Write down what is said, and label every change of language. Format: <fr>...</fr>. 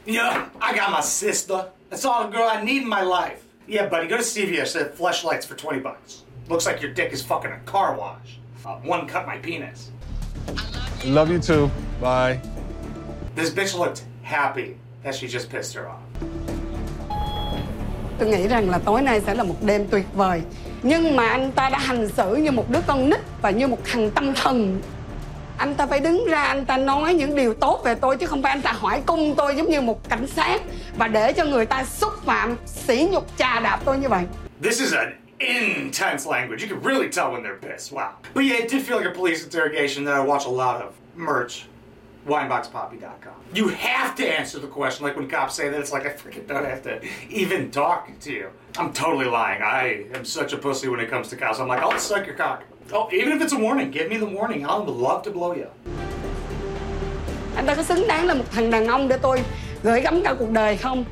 <en>Yeah, I got my sister. That's all the girl I need in my life. Yeah, buddy, go to CVS at Fleshlights for $20. Looks like your dick is fucking a car wash. One cut my penis. I love you. Love you too. Bye. This bitch looked happy that she just pissed her off.</en> <vi>Tôi nghĩ rằng là tối nay sẽ là một đêm tuyệt vời. Nhưng mà anh ta đã hành xử như một đứa con nít và như một thằng tâm thần. Anh ta phải đứng ra, anh ta nói những điều tốt về tôi chứ không phải anh ta hỏi cung tôi giống như một cảnh sát và để cho người ta xúc phạm, sỉ nhục, chà đạp tôi như vậy.</vi> <en>This is an intense language. You can really tell when they're pissed. Wow. But yeah, it did feel like a police interrogation that I watch a lot of. Merch. Wineboxpoppy.com. You have to answer the question. Like when cops say that, it's like I freaking don't have to even talk to you. I'm totally lying. I am such a pussy when it comes to cops. I'm like, I'll suck your cock. Oh, even if it's a warning, give me the warning. I'd love to blow you.</en> <vi>Anh ta có xứng đáng là một thằng đàn ông để tôi gửi gắm cả cuộc đời không?</vi>